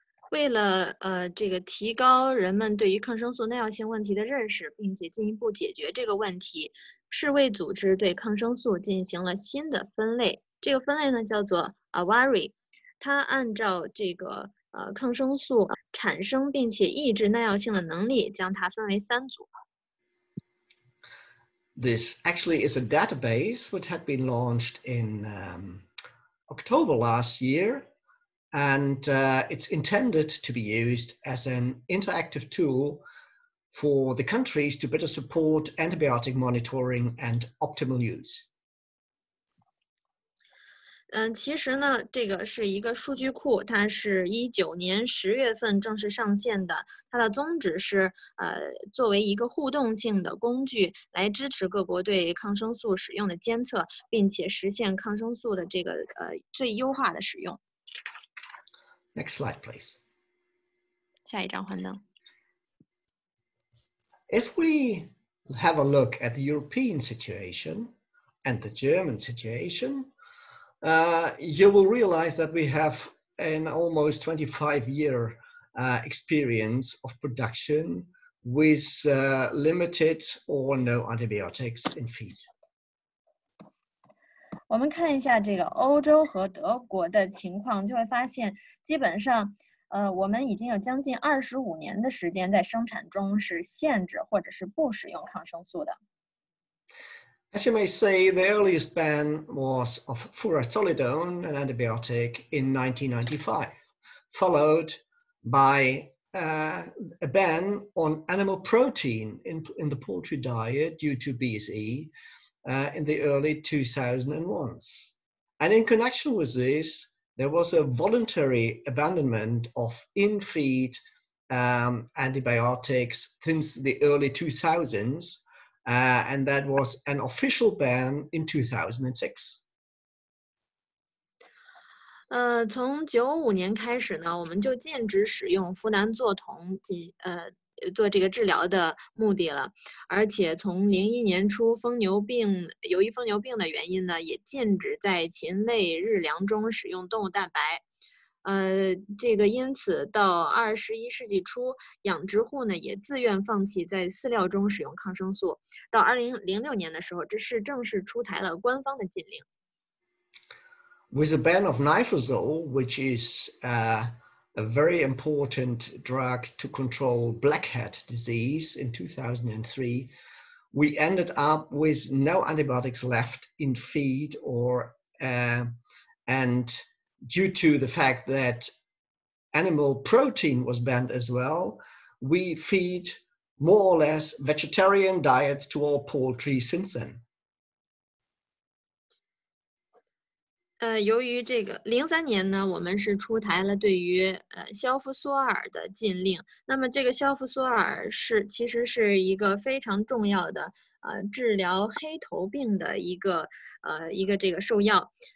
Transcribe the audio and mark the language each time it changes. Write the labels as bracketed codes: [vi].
[zh] 为了这个提高人们对于抗生素耐药性问题的认识，并且进一步解决这个问题，世卫组织对抗生素进行了新的分类。这个分类呢叫做 AVARI， 它按照这个抗生素产生并且抑制耐药性的能力，将它分为三组。 [en] This actually is a database which had been launched in October last year. And it's intended to be used as an interactive tool for the countries to better support antibiotic monitoring and optimal use. [zh] 其实呢，这个是一个数据库，它是19年10月份正式上线的。它的宗旨是作为一个互动性的工具，来支持各国对抗生素使用的监测，并且实现抗生素的这个最优化的使用。 [en] Next slide, please. [zh] 下一张幻灯。 [en] If we have a look at the European situation and the German situation, you will realize that we have an almost 25-year experience of production with limited or no antibiotics in feed. [zh] 我们看一下这个欧洲和德国的情况，就会发现基本上我们已经有将近25年的时间在生产中是限制或者是不使用抗生素的。 [en] As you may say, the earliest ban was of furosolidone, an antibiotic, in 1995, followed by a ban on animal protein in the poultry diet due to BSE,in the early 2001s. And in connection with this, there was a voluntary abandonment of in-feed antibiotics since the early 2000s, and that was an official ban in 2006. [zh] 从95年开始呢，我们就禁止使用呋喃唑酮做这个治疗的目的了，而且从01年初由于疯牛病的原因呢，也禁止在禽类日粮中使用动物蛋白。这个因此到21世纪初，养殖户呢也自愿放弃在饲料中使用抗生素。到2006年的时候，这是正式出台了官方的禁令。 [en] With a ban of nitrazole, which is a very important drug to control blackhead disease in 2003, we ended up with no antibiotics left in feed and due to the fact that animal protein was banned as well, we feed more or less vegetarian diets to all poultry since then. [zh] 由于这个03年呢，我们是出台了对于硝氟索尔的禁令。那么这个硝氟索尔其实是一个非常重要的治疗黑头病的一个这个兽药。